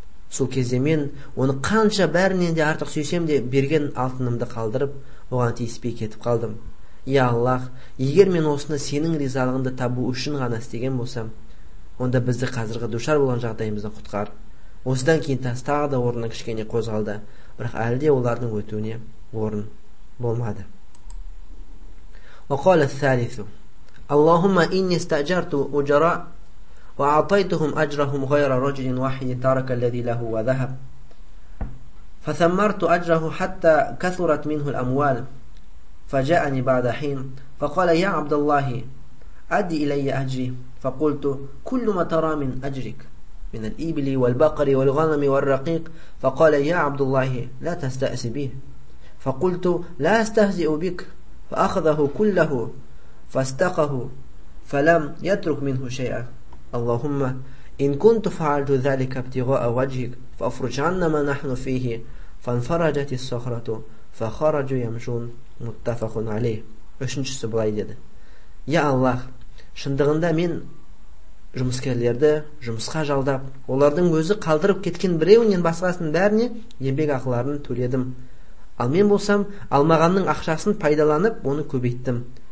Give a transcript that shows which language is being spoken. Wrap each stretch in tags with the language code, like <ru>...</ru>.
<kk>Сол кезде мен оны қанша бәрінен де артық сүйсем де берген алтынымды қалдырып оған тиіспей кетіп қалдым. "Я Аллах, егер мен осыны сенің ризалығыңды табу үшін ғана істеген болсам, онда бізді қазіргі душар болған жағдайымыздан құтқар. Осыдан кейін тас тағы да орнына кішкене қозғалды, бірақ әлі де олардың өтуіне орын болмады.</kk> <ar>وقال الثالث: اللهم إني استأجرت أجراء وأعطيتهم أجرهم غير رجل واحد ترك الذي له وذهب فثمرت أجره حتى كثرت منه الأموال فجاءني بعد حين فقال يا عبد الله أدي إلي أجري فقلت كل ما ترى من أجرك من الإبل والبقر والغنم والرقيق فقال يا عبد الله لا تستأس به فقلت لا أستهزئ بك فأخذه كله فاستقه فلم يترك منه شيئا اللهم إن كنت فعلت ذلك ابتغاء وجهك فأفرج عنا ما نحن فيه فانفرجت الصخرة فخرجوا يمشون متفق عليه.</ar> <kk>Үшіншісі былай деді: Я Аллах, шындығында мен жұмыскерлерді жұмысқа жалдап, олардың өзі қалдырып кеткен біреуінен басқасын бәріне еңбек ақыларын төледім. Ал мен болсам, алмағанның ақшасын пайдаланып, оны көбейттім.</kk>